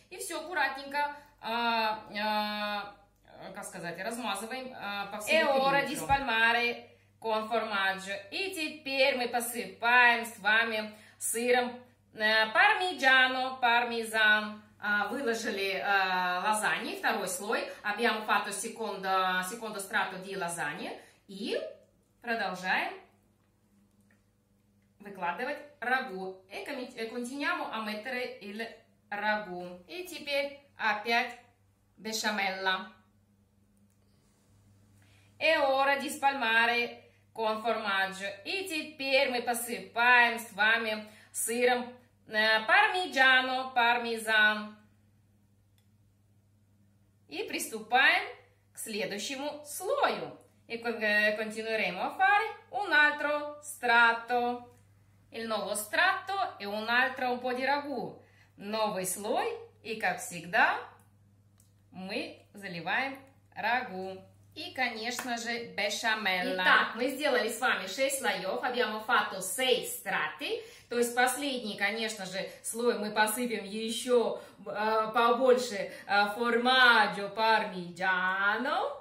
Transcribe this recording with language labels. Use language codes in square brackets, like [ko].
[ru] И все аккуратненько размазываем по всему периметру. [it] E ora di spalmare con formaggio. [ru] И теперь мы посыпаем с вами сыром пармиджано, пармезан. Выложили лазанью, второй слой. [it] Abbiamo fatto secondo strato di lasagne. [ru] И продолжаем выкладывать рагу. [it] E continuiamo a mettere il рагу. [ru] И теперь опять бешамелла. [it] E ora di spalmare con formaggio. [ru] И теперь мы посыпаем с вами сыром пармиджано, пармезан. И приступаем к следующему слою. [it] И continueremo a fare un altro strato. Il nuovo strato e un altro un po' di ragù. [ru] Новый слой. И, как всегда, мы заливаем рагу. И, конечно же, бешамелла. Итак, мы сделали с вами 6 слоев. [it] Abbiamo fatto 6 strati. [ru] То есть последний, конечно же, слой мы посыпем еще побольше формаджо пармиджано.